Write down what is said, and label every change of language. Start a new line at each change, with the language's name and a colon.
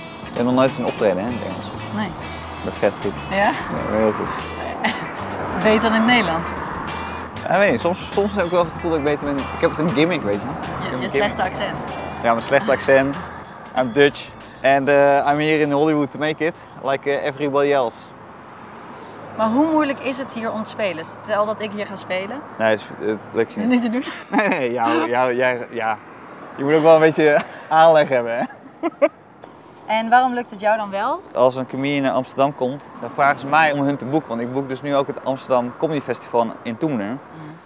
Dutch: Ik heb nog nooit een optreden, hè, in het Engels? Nee. Dat gaat goed. Ja? Ja, heel goed. Beter dan in Nederland? Ja, weet je, soms heb ik wel het gevoel dat ik beter ben. Ik heb een gimmick, weet je. Je slechte accent. Ja, mijn slechte accent.
English: I'm Dutch. And I'm here in Hollywood to make it. Like everybody else.
Dutch: Maar hoe moeilijk is het hier om te spelen? Stel dat ik hier ga spelen. Nee, het lukt je niet. Is niet te doen? Nee, ja. Je moet ook wel een beetje aanleg hebben, hè. En waarom lukt het jou dan wel? Als een comedian naar Amsterdam komt, dan vragen ze mij om hun te boeken. Want ik boek dus nu ook het Amsterdam Comedy Festival in Toemler. Mm.